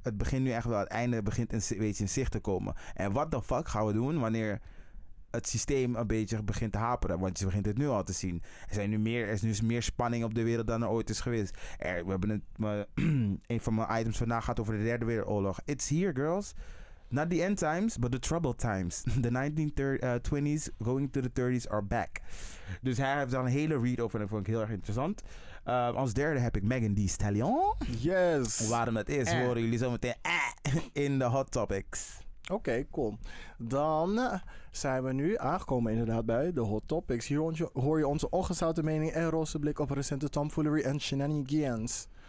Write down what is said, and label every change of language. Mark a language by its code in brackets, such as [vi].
[nl] Het begint nu echt wel, het einde begint een beetje in zicht te komen. En [en] what the fuck [nl] gaan we doen wanneer het systeem een beetje begint te haperen? Want je begint het nu al te zien. Er is nu meer spanning op de wereld dan er ooit is geweest. Een van mijn items vandaag gaat over de derde wereldoorlog. [en] It's here, girls. Not the end times, but the troubled times. The 1920s going to the 30s are back. [nl] Dus hij heeft dan een hele read over en dat vond ik heel erg interessant. Als derde heb ik Megan Thee Stallion. [en] Yes. [nl] Waarom dat is, horen jullie zo meteen in de Hot Topics. Oké, cool. Dan zijn we nu aangekomen inderdaad bij de Hot Topics. Hier hoor je onze ongezouten mening en roze blik op recente tomfoolery en shenanigans.